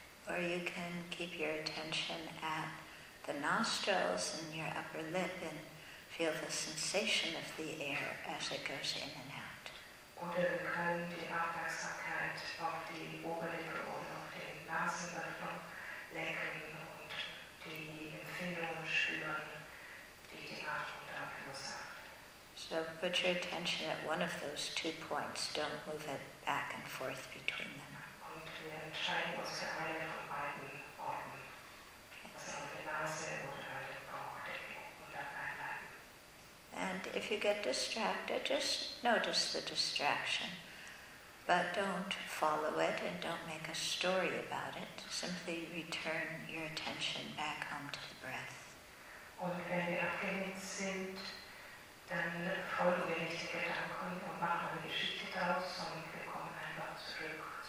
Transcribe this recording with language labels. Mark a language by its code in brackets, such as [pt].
[en] Or you can keep your attention at the nostrils and your upper lip and feel the sensation of the air as it goes in and out. [de] Oder wir können die Aufmerksamkeit auf die Oberlippe und auf den Nasenlöchern lenken und die Empfindungen spüren, die die Atmung da verursacht. [en] So put your attention at one of those two points. Don't move it back and forth between them. And if you get distracted, just notice the distraction, but don't follow it and don't make a story about it. Simply return your attention back home to the breath. [de] Und wenn wir abgelenkt sind, dann folgen wir nicht den Gedanken und machen eine Geschichte daraus, sondern wir kommen einfach zurück.